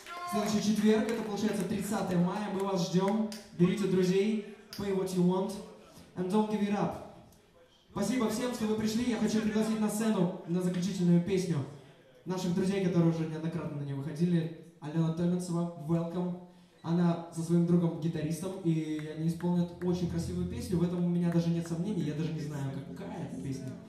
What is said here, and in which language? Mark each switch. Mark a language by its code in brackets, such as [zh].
[ru] Следующий четверг, это получается 30 мая, мы вас ждем. Берите друзей, [en] pay what you want, and don't give it up. [ru] Спасибо всем, что вы пришли. Я хочу пригласить на сцену, на заключительную песню наших друзей, которые уже неоднократно на нее выходили. Алена Томенцева, [en] welcome. [ru] Она со своим другом гитаристом, и они исполнят очень красивую песню. В этом у меня даже нет сомнений, я даже не знаю, какая это песня.